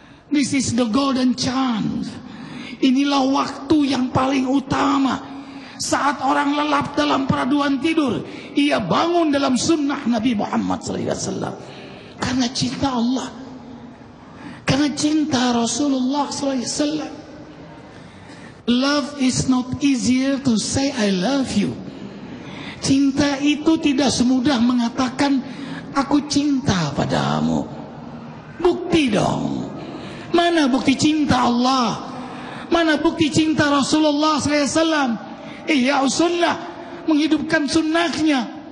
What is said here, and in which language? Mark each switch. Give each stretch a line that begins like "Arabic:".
English: This is the golden chance.
Indonesian: Inilah waktu yang paling utama. Saat orang lelap dalam peraduan tidur, ia bangun dalam sunnah Nabi Muhammad SAW. Karena cinta Allah, karena cinta Rasulullah SAW.
English: Love is not easier to say I love you.
Indonesian: Cinta itu tidak semudah mengatakan aku cinta padamu. Bukti dong. Mana bukti cinta Allah? Mana bukti cinta Rasulullah SAW? Ihya sunnah, menghidupkan sunnahnya.